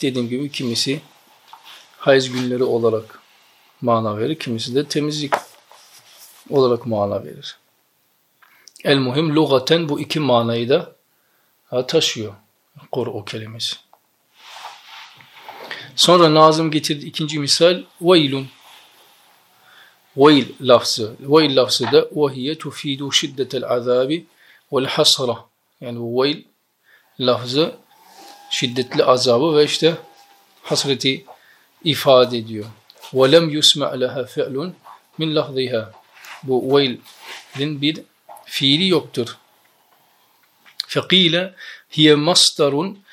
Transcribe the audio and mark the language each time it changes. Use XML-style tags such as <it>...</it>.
<tr>Dediğim gibi kimisi hayız günleri olarak mana verir, kimisi de temizlik olarak mana verir. El muhim lugaten bu iki manayı da taşıyor kur'u kelimesi. Sonra Nazım getirdi ikinci misal, veylun. Veyl lafzı. Veyl lafzı da</tr> <ar>وَهِيَ تُف۪يدُ شِدَّةَ الْعَذَابِ وَالْحَصَرَةِ.</ar> <tr>Yani bu veyl lafzı şiddetli azabı ve işte hasreti ifade ediyor.</tr> <ar>وَلَمْ يُسْمَعْ لَهَا فِعْلٌ مِنْ لَحْظِهَا.</ar> <tr>Bu veylin bir fiili yoktur.</tr> <ar>فَقِيلَ هِيَ مَصْدَرٌ</ar>